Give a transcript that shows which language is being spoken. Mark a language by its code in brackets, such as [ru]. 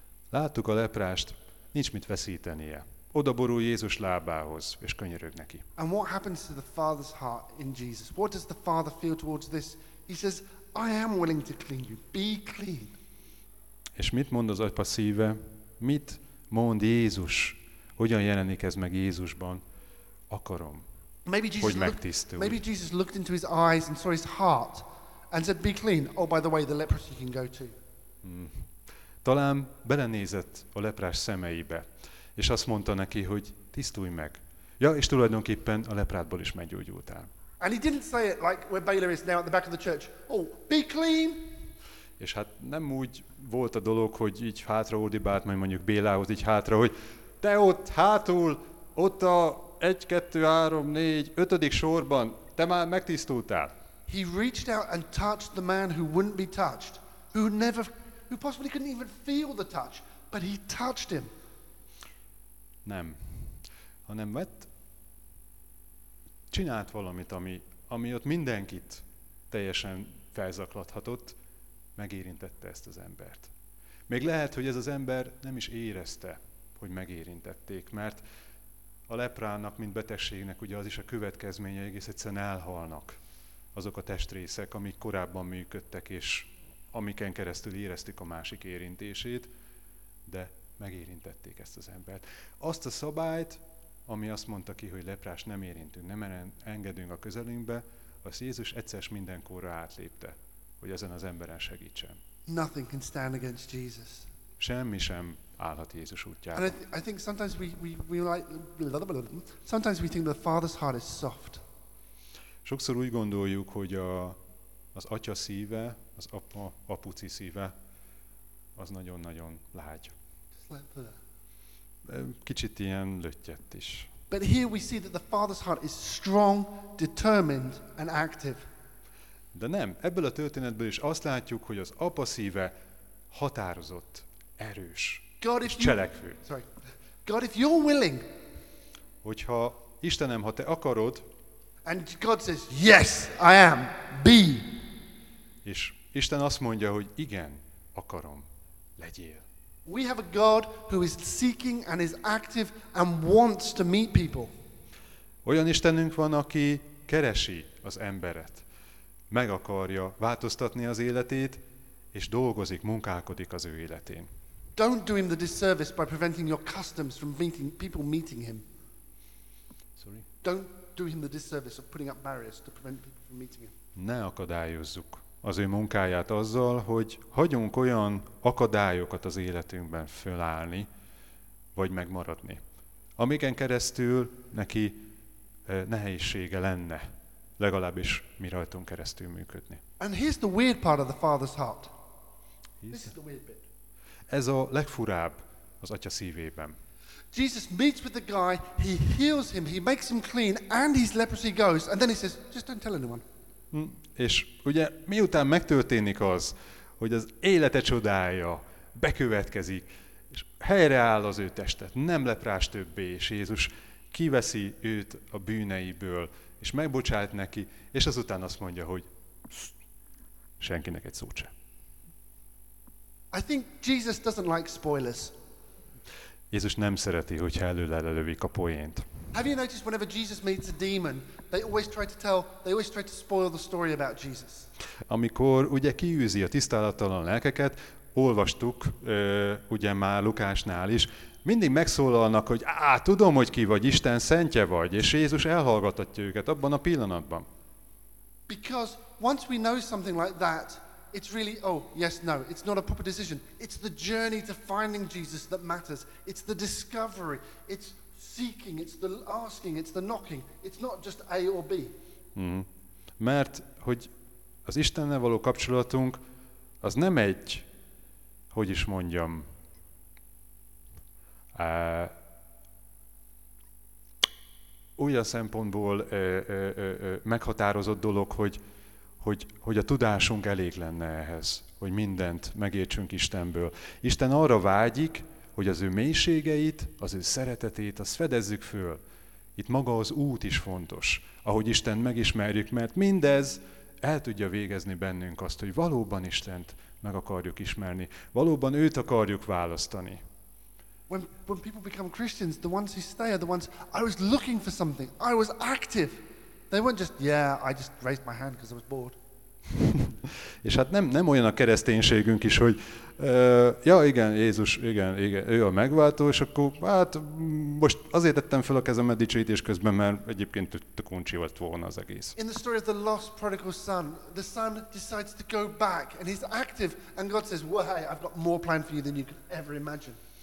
[hu] Láttuk a leprást, nincs mit veszítenie. Oda borul Jézus lábához, és könyörög neki. [en] And what happens to the Father's heart in Jesus? What does the Father feel towards this? He says, I am willing to clean you. Be clean. [hu] És mit mond az Atya szíve? Mit mond Jézus? Hogyan jelenik ez meg Jézusban? Akarom, hogy megtisztulj. [en] Maybe Jesus looked into his eyes and saw his heart and said, be clean. Oh, by the way, the leprosy can go too. [hu] Talán belenézett a leprás szemeibe, és azt mondta neki, hogy tisztulj meg. Ja, és tulajdonképpen a leprádból is meggyógyultál. [en] And he didn't say it like where Baylor is now at the back of the church. Oh, be clean! [hu] És hát nem úgy volt a dolog, hogy így hátra ordibált, majd mondjuk Bélához így hátra, hogy te ott hátul, ott a 1, 2, 3, 4, 5. sorban, te már megtisztultál. [en] He reached out and touched the man who wouldn't be touched, who possibly couldn't even feel the touch, but he touched him. [hu] Nem, hanem vett, csinált valamit, ami ott mindenkit teljesen felzaklathatott, megérintette ezt az embert. Még lehet, hogy ez az ember nem is érezte, hogy megérintették, mert a leprának, mint betegségnek, ugye az is a következménye, egész egyszerűen elhalnak azok a testrészek, amik korábban működtek, és amiken keresztül éreztük a másik érintését, de megérintették ezt az embert. Azt a szabályt, ami azt mondta ki, hogy leprás nem érintünk, nem engedünk a közelünkbe, azt Jézus egyszer mindenkorra átlépte, hogy ezen az emberen segítsen. [en] Nothing can stand against Jesus. [hu] Semmi sem állhat Jézus útjában. [en] And I think sometimes we think the Father's heart is soft. [hu] Sokszor úgy gondoljuk, hogy az Atya szíve, az apuci szíve, az nagyon-nagyon lágy. Kicsit ilyen löttyett is. [en] But here we see that the Father's heart is strong, determined and active. [hu] De nem, ebből a történetből is azt látjuk, hogy az apa szíve határozott, erős, [en] God, [hu] és cselekvő. [en] God, if you're willing, [hu] hogyha Istenem, ha te akarod, [en] and God says, yes, I am, be. [hu] És Isten azt mondja, hogy igen, akarom, legyél. [en] We have a God who is seeking and is active and wants to meet people. [hu] Olyan Istenünk van, aki keresi az emberet, meg akarja változtatni az életét, és dolgozik, munkálkodik az ő életén. [en] Don't do him the disservice by preventing your customs from meeting people meeting him. Sorry. Don't do him the disservice of putting up barriers to prevent people from meeting him. [hu] Ne akadályozzuk az ő munkáját azzal, hogy hagyunk olyan akadályokat az életünkben fölállni, vagy megmaradni, amiken keresztül neki nehézsége lenne, legalábbis mi rajtunk keresztül működni. [en] And here's the weird part of the Father's heart. This is the weird bit. [hu] Ez a legfurább az Atya szívében. [en] Jesus meets with the guy, he heals him, he makes him clean, and his leprosy goes, and then he says, just don't tell anyone. [hu] És ugye miután megtörténik az, hogy az élete csodája bekövetkezik, és helyreáll az ő testet, nem leprás többé, és Jézus kiveszi őt a bűneiből, és megbocsát neki, és azután azt mondja, hogy senkinek egy szót se. [en] I think Jesus doesn't like spoilers. [hu] Jézus nem szereti, hogyha előle lelövik a poént. [en] Have you noticed whenever Jesus meets a demon, they always try to spoil the story about Jesus. [hu] Amikor ugye kiűzi a tisztálattalan lelkeket, olvastuk ugye már Lukásnál is, mindig megszólalnak, hogy tudom, hogy ki vagy, Isten szentje vagy, és Jézus elhallgatatja őket abban a pillanatban. [en] Because once we know something like that, it's really, oh, yes, no, it's not a proper decision. It's the journey to finding Jesus that matters. It's the discovery. It's seeking, it's the asking, it's the knocking. It's not just A or B. [hu] Mert, hogy az Istennel való kapcsolatunk, az nem egy, hogy is mondjam, olyan szempontból meghatározott dolog, hogy a tudásunk elég lenne ehhez, hogy mindent megértsünk Istenből. Isten arra vágyik, hogy az ő mélységeit, az ő szeretetét, azt fedezzük föl. Itt maga az út is fontos, ahogy Istent megismerjük, mert mindez el tudja végezni bennünk azt, hogy valóban Istent meg akarjuk ismerni, valóban őt akarjuk választani. [en] When people become Christians, the ones who stay are the ones, I was looking for something, I was active. They weren't just, yeah, I just raised my hand because I was bored. [hu] És hát nem olyan a kereszténységünk is, hogy igen, Jézus, ő a megváltó, és akkor hát most azért tettem fel a kezem a dicsőítés közben, mert egyébként tök uncsi volt volna az egész. [en] In the story of the lost prodigal son, the son decides to go back, and he's active, and God says, well, hey, I've got more plan for you than you could ever imagine.